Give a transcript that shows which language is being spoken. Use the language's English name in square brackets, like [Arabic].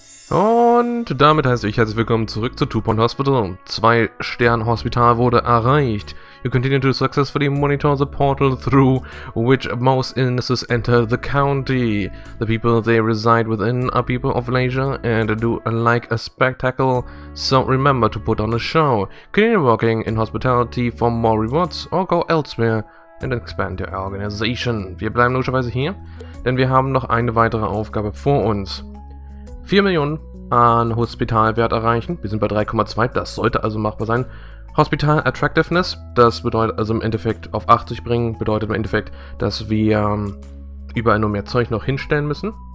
[German] Und damit heiße ich herzlich willkommen zurück zu Two Point Hospital. 2-Stern-Hospital wurde erreicht. [English] You continue to successfully monitor the portal through which most illnesses enter the county. The people they reside within are people of leisure and do like a spectacle, so remember to put on a show. Continue working in hospitality for more rewards or go elsewhere and expand your organization. [German] Wir bleiben logischerweise hier, denn wir haben noch eine weitere Aufgabe vor uns. 4 Millionen an Hospitalwert erreichen. Wir sind bei 3,2, das sollte also machbar sein. Hospital Attractiveness, das bedeutet also im Endeffekt auf 80 bringen, bedeutet im Endeffekt, dass wir überall nur mehr Zeug noch hinstellen müssen.